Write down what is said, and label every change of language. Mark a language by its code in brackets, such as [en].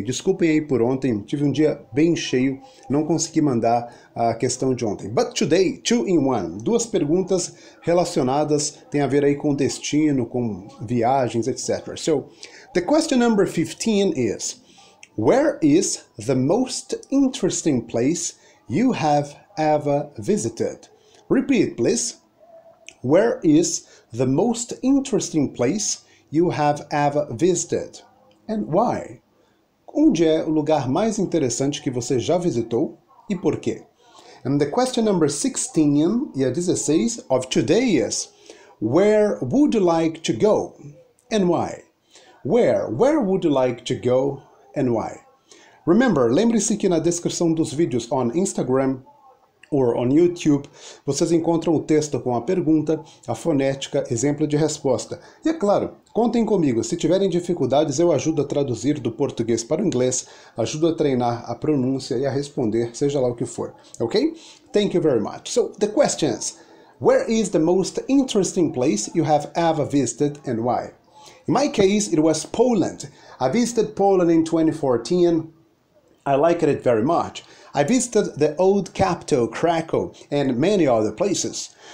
[pt] Desculpem aí por ontem, tive dia bem cheio, não consegui mandar a questão de ontem. [en] But today, two in one. Duas perguntas relacionadas, tem a ver aí com destino, com viagens, etc. So, the question number 15 is, where is the most interesting place you have ever visited? Repeat, please. Where is the most interesting place you have ever visited? And why? [pt] Onde é o lugar mais interessante que você já visitou e por quê? [en] And the question number 16 [pt] e a 16 of today [en] is, where would you like to go and why? Where would you like to go and why? Remember, lembre-se que na descrição dos vídeos on Instagram or on YouTube, vocês encontram o texto com a pergunta, a fonética, exemplo de resposta. [pt] E é claro, contem comigo, se tiverem dificuldades, eu ajudo a traduzir do português para o inglês, ajudo a treinar a pronúncia e a responder, seja lá o que for. [en] Ok? Thank you very much. So, the questions. Where is the most interesting place you have ever visited and why? In my case, it was Poland. I visited Poland in 2014. I liked it very much. I visited the old capital, Kraków, and many other places.